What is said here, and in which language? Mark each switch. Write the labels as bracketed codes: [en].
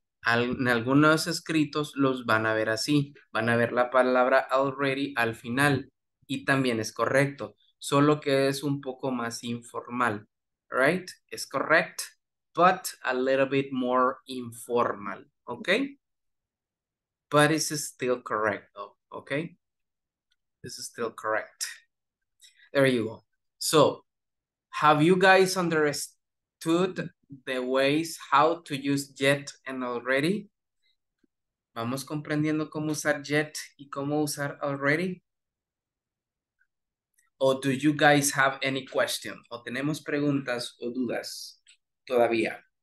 [es] En algunos escritos los van a ver así. Van a ver la palabra already al final. Y también es correcto, solo que es un poco más informal, [en] right? Es correct, but a little bit more informal, okay? But it's still correct, though, okay? This is still correct. There you go. So, have you guys understood the ways how to use yet and already? [es] Vamos comprendiendo cómo usar yet y cómo usar already. [en] Or do you guys have any question? [es] ¿O tenemos preguntas o dudas todavía?